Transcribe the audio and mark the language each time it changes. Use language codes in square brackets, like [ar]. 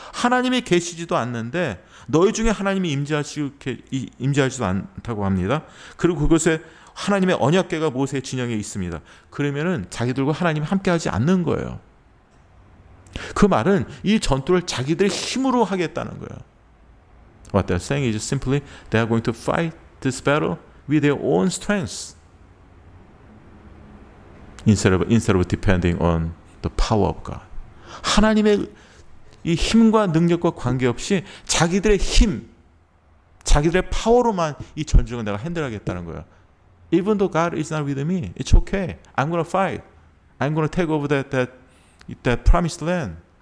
[ko] 하나님이 계시지도 않는데 너희 중에 하나님이 임재하지도 않다고 합니다. 그리고 그것에 하나님의 언약궤가 모세의 진영에 있습니다. 그러면은 자기들과 하나님이 함께하지 않는 거예요. 그 말은 이 전투를 자기들의 힘으로 하겠다는 거예요. [en] What they're saying is simply they are going to fight this battle with their own strengths. Instead of depending on the power of God. [ko] 하나님의 이 힘과 능력과 관계없이 자기들의 힘, 자기들의 파워로만 이 전쟁을 내가 핸들하겠다는 거야. [en] Even though God is not with me, it's okay. I'm going to fight. I'm going to take over that promised land.